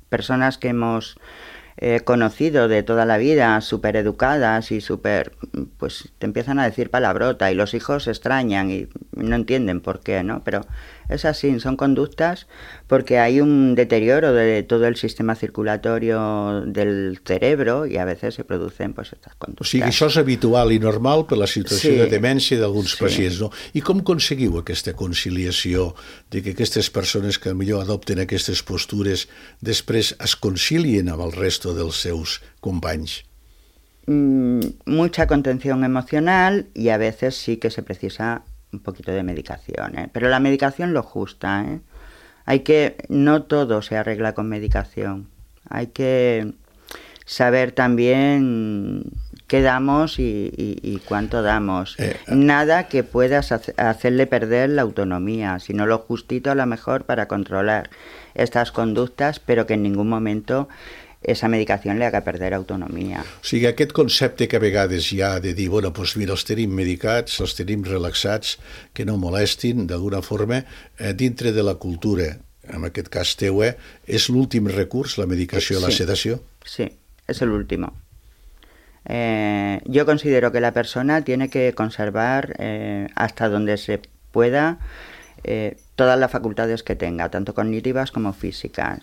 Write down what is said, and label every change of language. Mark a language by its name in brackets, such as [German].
[Spanish] Personas que hemos conocido de toda la vida, súper educadas y súper, pues te empiezan a decir palabrota y los hijos se extrañan y no entienden por qué, ¿no? Pero es así, son conductas porque hay un deterioro de todo el sistema circulatorio del cerebro y a veces se producen pues estas conductas. [Catalan] O sigui, això és habitual i normal per la situació, sí, de demència d'alguns, sí, pacients, no? I com aconseguiu aquesta conciliació de que aquestes persones que millor adopten aquestes postures després es concilien amb el resto dels seus companys? [Spanish] Mucha contención emocional y a veces sí que se precisa un poquito de medicación, ¿eh? Pero la medicación lo justa, ¿eh? Hay que, no todo se arregla con medicación. Hay que saber también qué damos y cuánto damos. Nada que puedas hacerle perder la autonomía, sino lo justito a lo mejor para controlar estas conductas, pero que en ningún momento esa medicación le haga perder autonomía. [Catalan] O sigui, aquest concepte que a vegades hi ha de dir, [Spanish] bueno, pues mira, [Catalan] els tenim medicats, els tenim relaxats, que no molestin, d'alguna forma, dintre de la cultura, en aquest cas teu, és l'últim recurs, la medicació, sí, la sedació? Sí, és l'últim. [Spanish] Yo considero que la persona tiene que conservar hasta donde se pueda todas las facultades que tenga, tanto cognitivas como físicas.